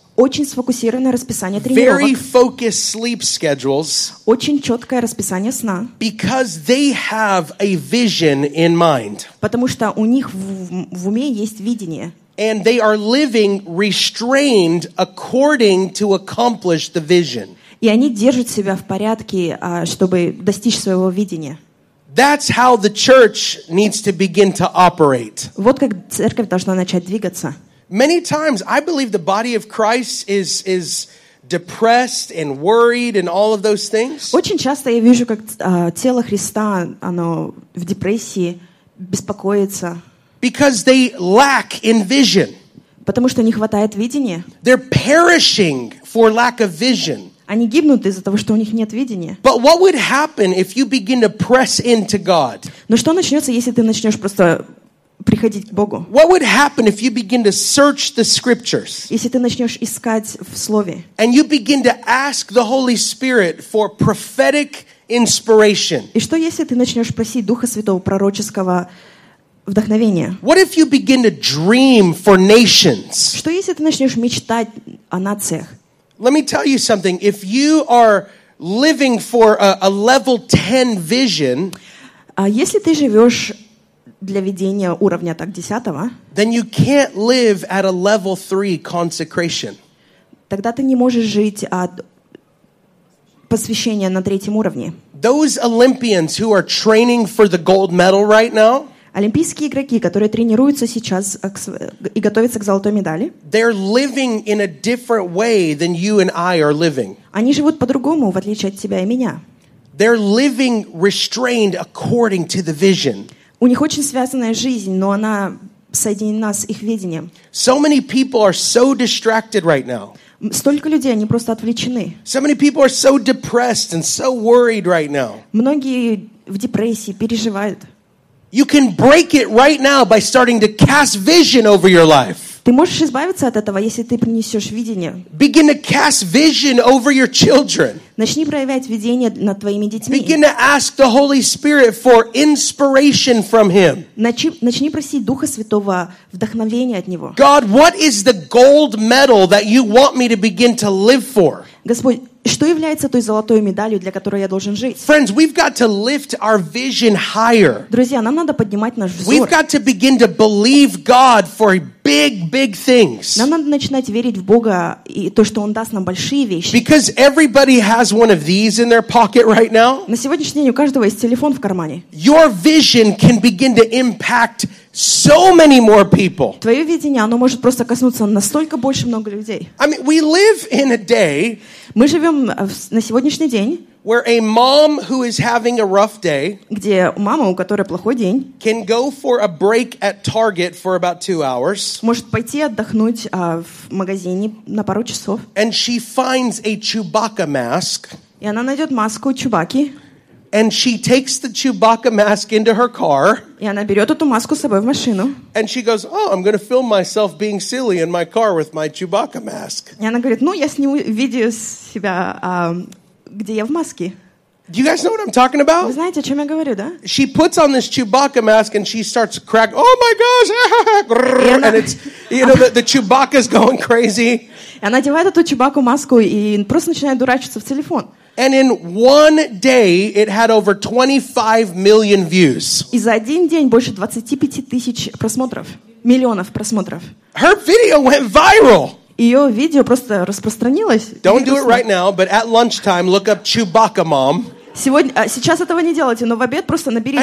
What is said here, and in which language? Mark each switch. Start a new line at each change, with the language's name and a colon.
Russian: Очень сфокусированное расписание тренировок.
English: Very focused sleep schedules.
Russian: Очень четкое расписание сна.
English: Because they have a vision in mind.
Russian: Потому что у них в уме есть видение.
English: And they are living restrained according to accomplish the vision.
Russian: И они держат себя в порядке, чтобы достичь своего видения.
English: That's how the church needs to begin to operate.
Russian: Вот как церковь должна начать двигаться.
English: Many times I believe the body of Christ is depressed and worried and all of those things.
Russian: Очень часто я вижу, как тело Христа, оно в депрессии, беспокоится.
English: Because they lack in vision.
Russian: Потому что не хватает видения.
English: They're perishing for lack of vision.
Russian: Они гибнут из-за того, что у них нет видения.
English: But what would happen if you begin to press into God?
Russian: Но что начнется, если ты начнешь просто приходить к Богу?
English: What would happen if you begin to search the scriptures?
Russian: Если ты начнешь искать в Слове.
English: And you begin to ask the Holy Spirit for prophetic inspiration?
Russian: И что если ты начнешь просить Духа Святого пророческого вдохновения?
English: What if you begin to dream for nations?
Russian: Что если ты начнешь мечтать о нациях?
English: Let me tell you something. If you are living for a level 10 vision,
Russian: а если ты живешь для ведения уровня так 10-го,
English: then you can't live at a level 3 consecration.
Russian: Тогда ты не можешь жить от посвящения на третьем уровне.
English: Those Olympians who are training for the gold medal right now,
Russian: олимпийские игроки, которые тренируются сейчас и готовятся к золотой медали,
English: they're living in a different way than you and I are living.
Russian: Они живут по-другому, в отличие от тебя и меня.
English: They're living restrained according to the vision.
Russian: У них очень связанная жизнь, но она соединена с их видением.
English: So many people are so distracted right now.
Russian: Столько людей, они просто отвлечены.
English: So many people are so depressed and so worried right now.
Russian: Многие в депрессии переживают.
English: You can break it right now by starting to cast vision over your life.
Russian: Ты можешь избавиться от этого, если ты принесешь видение.
English: Begin to cast vision over your children.
Russian: Начни проявлять видение над твоими детьми.
English: Begin to ask the Holy Spirit for inspiration from Him.
Russian: Начни просить Духа Святого вдохновения от Него.
English: God, what is the gold medal that you want me to begin to live for?
Russian: Господь, что является той золотой медалью, для которой я должен жить?
English: Friends, we've got to lift our vision higher.
Russian: Друзья, нам надо поднимать наш взор.
English: We've got to begin to believe God for big, big things.
Russian: Нам надо начинать верить в Бога и то, что Он даст нам большие вещи.
English: Because everybody has one of these in their pocket right now.
Russian: На сегодняшний день у каждого есть телефон в кармане.
English: Your vision can begin to impact so many more people.
Russian: Твое видение, оно может просто коснуться настолько больше много людей.
English: I mean, we live in a day.
Russian: Мы живем на сегодняшний день,
English: where a mom who is having a rough day,
Russian: где мама, у которой плохой день,
English: can go for a break at Target for about 2 hours,
Russian: может пойти отдохнуть в магазине на пару часов,
English: and she finds a Chewbacca mask,
Russian: и она найдет маску Чубаки,
English: and she takes the Chewbacca mask into her car,
Russian: и она берет эту маску с собой в машину,
English: and she goes, oh, I'm going to film myself being silly in my car with my Chewbacca mask.
Russian: И она говорит, ну, я сниму видео с себя, где я в маске.
English: Do you guys know what I'm talking about?
Russian: Вы знаете, о чем я говорю, да?
English: She puts on this Chewbacca mask and she starts crack. Oh my gosh! And it's, you know, the Chewbacca's going crazy.
Russian: И она одевает эту Чубакку маску и просто начинает дурачиться в телефон.
English: And in one day, it had over 25 million views.
Russian: И за один день больше 25 000 просмотров, миллионов просмотров.
English: Her video went viral.
Russian: Ее видео просто распространилось.
English: Don't do it right now, but at lunchtime, look up Chewbacca mom.
Russian: Сегодня, сейчас этого не делайте, но в обед просто наберите